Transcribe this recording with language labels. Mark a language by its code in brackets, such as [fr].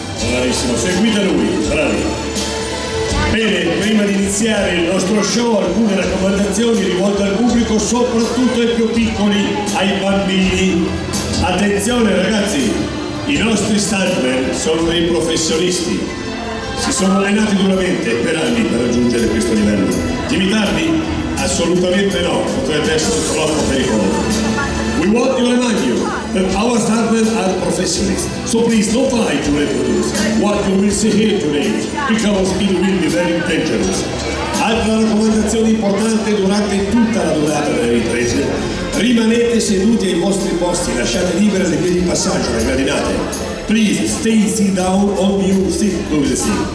[it] Bravissimo, seguite lui, bravi. Bene, prima di iniziare il nostro show, alcune raccomandazioni rivolte al pubblico, soprattutto ai più piccoli, ai bambini. Attenzione ragazzi, i nostri stuntmen sono dei professionisti. Si sono allenati duramente per anni per raggiungere questo livello. Imitarli? Assolutamente no, potrebbe essere troppo pericoloso. [en] We want to remind you that our stuntmen are professionals, so please don't try to reproduce what you will see here today, because it will be very dangerous. [it] Altra raccomandazione importante durante tutta la durata delle riprese: rimanete seduti ai vostri posti, lasciate libere le vie di passaggio, le gradinate. [en] Please stay sit down on your seat, to the seat.